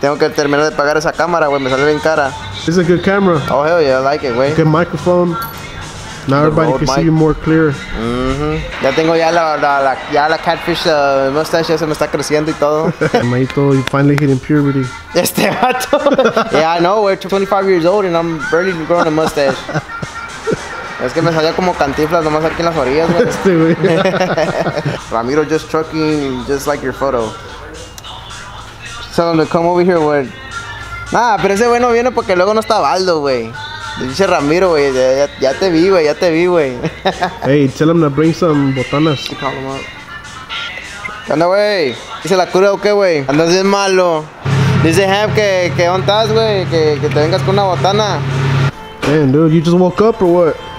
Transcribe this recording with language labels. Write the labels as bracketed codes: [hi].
[es] Si tengo que terminar de pagar esa cámara, güey, me sale bien cara. [en] It's a good camera. Oh, hell yeah, I like it, güey. Good microphone. Now everybody can see you more clear. Mm-hmm. [es] Ya tengo ya la catfish mustache, ya se me está creciendo y todo. [en] Maito, you finally hitting puberty. [es] Este vato. [en] Yeah, I know, we're 25 years old and I'm barely growing a mustache. [es] Es que me salía como cantiflas nomás aquí en las orillas, güey. Este, güey. [en] Ramiro, just trucking, just like your photo. Tell him to come over here, güey. [es] Nah, pero ese güey no viene porque luego no está Baldo, güey. Dice Ramiro, güey, ya te vi, güey. [en] Hey, tell him to bring some botanas. [es] ¿Qué onda, güey? ¿Dice la cura o qué, güey? Andas bien malo. Dice Hemp que ontas, güey, que te vengas con una botana. [en] Man, dude, you just woke up or what?